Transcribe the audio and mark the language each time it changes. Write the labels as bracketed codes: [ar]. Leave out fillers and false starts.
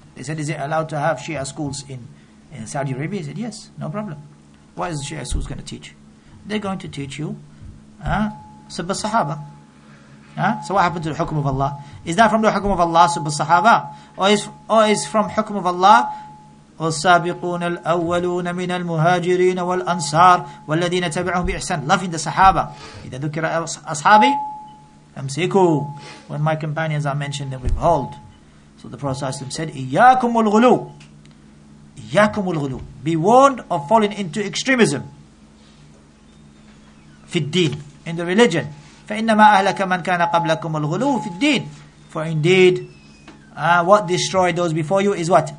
[en] They said, is it allowed to have Shia schools in Saudi Arabia? He said, yes, no problem. What is Shia schools going to teach? They're going to teach you Subh al-Sahaba. So what happened to the Hukum of Allah? Is that from the Hukum of Allah, Subh al-Sahaba? Or is from Hukum of Allah, [ar] والسابقون الأولون من المهاجرين والأنصار والذين تبعهم بإحسان. [en] Loving the Sahaba. [ar] إذا ذكر أصحابي أمسكوا. [en] When my companions are mentioned, then we hold. So the Prophet ﷺ said, [ar] إياكم الغلو. إياكم الغلو. [en] Be warned of falling into extremism. [ar] في الدين. [en] In the religion. [ar] فإنما أهلك من كان قبلكم الغلو في الدين. [en] For indeed, what destroyed those before you is what?